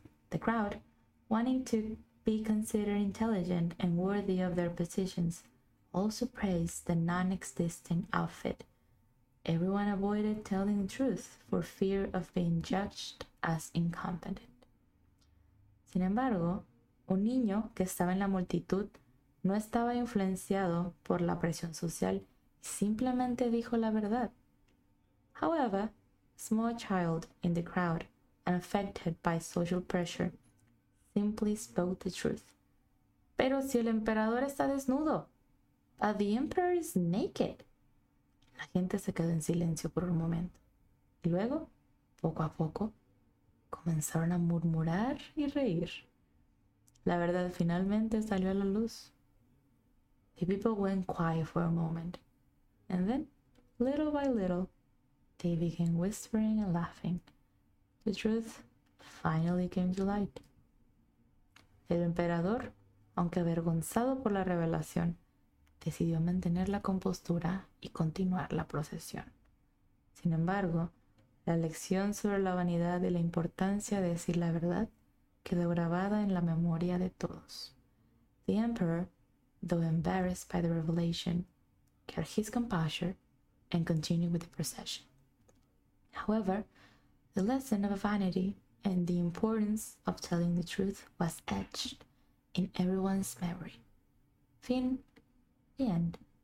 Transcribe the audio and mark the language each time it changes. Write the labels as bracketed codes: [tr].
[en] The crowd, wanting to be considered intelligent and worthy of their positions, also praised the non-existing outfit. Everyone avoided telling the truth for fear of being judged as incompetent. [es] Sin embargo, un niño que estaba en la multitud no estaba influenciado por la presión social y simplemente dijo la verdad. [en] However, a small child in the crowd, unaffected by social pressure, simply spoke the truth. [es] Pero si el emperador está desnudo. [en] The emperor is naked. [es] La gente se quedó en silencio por un momento. Y luego, poco a poco, comenzaron a murmurar y reír. La verdad finalmente salió a la luz. [en] The people went quiet for a moment. And then, little by little, they began whispering and laughing. The truth finally came to light. [es] El emperador, aunque avergonzado por la revelación, decidió mantener la compostura y continuar la procesión. Sin embargo, la lección sobre la vanidad y la importancia de decir la verdad quedó grabada en la memoria de todos. [en] The emperor, though embarrassed by the revelation, kept his composure and continued with the procession. However, the lesson of vanity and the importance of telling the truth was etched in everyone's memory. Fin. The end.